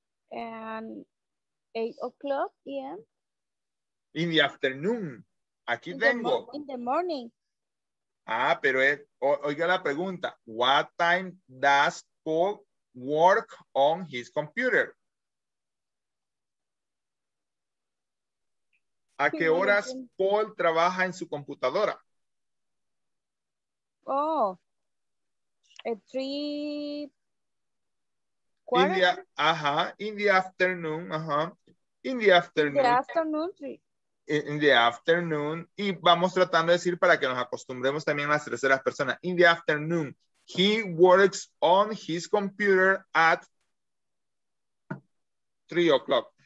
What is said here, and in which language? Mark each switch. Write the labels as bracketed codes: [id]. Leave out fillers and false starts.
[en] And 8:00 p.m. In the afternoon. [es] Aquí tengo. [en] In the morning. [es] Ah, pero oiga la pregunta. [en] What time does Paul work on his computer? [es] ¿A qué horas Paul trabaja en su computadora? [en] Oh, at 3:15. In the afternoon, In the afternoon. In the afternoon. [es] Y vamos tratando de decir para que nos acostumbremos también a las terceras personas. [en] In the afternoon, he works on his computer at 3:00.